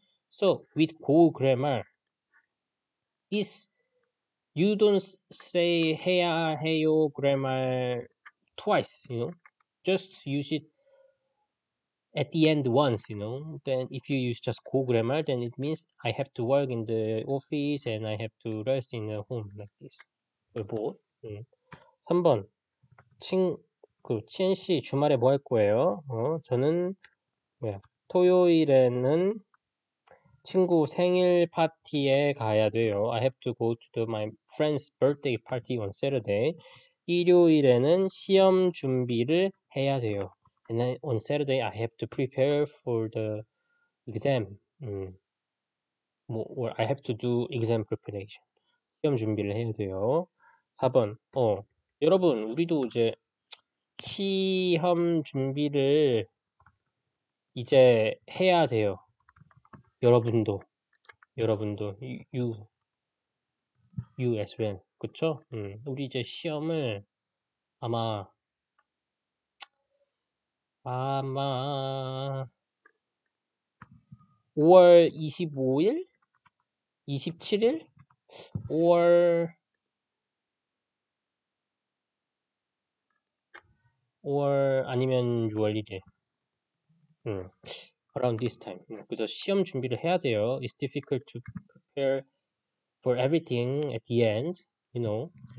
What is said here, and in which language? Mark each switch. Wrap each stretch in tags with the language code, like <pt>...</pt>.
<en>So with go grammar, is you don't say 해야 해요 grammar twice, you know? Just use it at the end once, you know. Then if you use just go grammar, then it means I have to work in the office and I have to rest in the home like this. For both. 3번.</en> <ko>치엔 씨 주말에 뭐할 거예요? 저는 뭐야? 토요일에는 친구 생일 파티에 가야 돼요.</ko> <en>I have to go to my friend's birthday party on Saturday.</en> <ko>일요일에는 시험 준비를 해야 돼요.</ko> <en>And then on Saturday, I have to prepare for the exam. Or I have to do exam preparation.</en> <ko>시험 준비를 해야 돼요.</ko> <en>4번.</en> <ko>여러분, 우리도 이제 시험 준비를 이제 해야 돼요. 여러분도.</ko> <en>You as well. 그쵸?</en> <ko>우리 이제 시험을 아마 5월 25일? 27일? 5월 아니면 6월 1일.</ko> <en>Around this time.</en> <ko>그래서 시험 준비를 해야 돼요.</ko> <en>It's difficult to prepare for everything at the end, you know.</en>